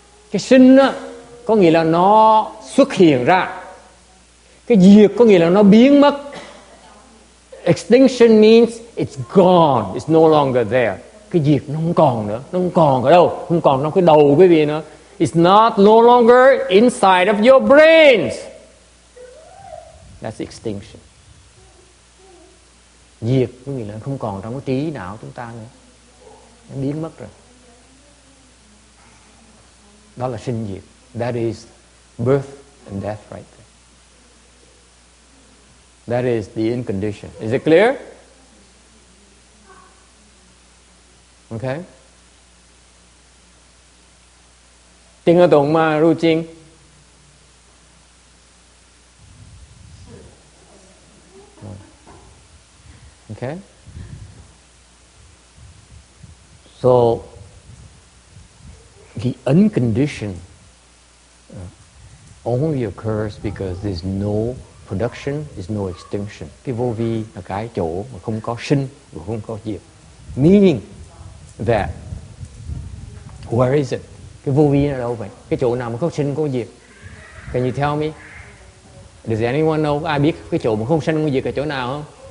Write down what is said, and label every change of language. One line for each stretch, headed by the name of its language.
Vietnamese: Cái sinh đó, có nghĩa là nó xuất hiện ra. Cái diệt có nghĩa là nó biến mất.
English: Extinction means it's gone. It's no longer there.
Vietnamese: Cái diệt nó không còn nữa. Nó không còn ở đâu. Không còn trong cái đầu quý vị nữa.
English: It's not no longer inside of your brains. That's extinction.
Vietnamese: Diệt có nghĩa là không còn trong cái trí não chúng ta nữa. Nó biến mất rồi. Đó là sinh diệt.
English: That is birth and death right there. That is the unconditioned. Is it clear? Okay. Tiếng nghe tổng mà ru chinh. Okay. So, the unconditioned only occurs because there's no production, there's no extinction.
Vietnamese: Cái vô vi là cái chỗ mà không có sinh và không có diệt.
English: Meaning that, where is it? Cái vô vi ở đâu vậy?
Vietnamese: Cái chỗ nào mà không sinh, không diệt?
English: Can you tell me? Does anyone know?
Vietnamese: Ai biết cái chỗ mà không sinh, không diệt ở chỗ nào không?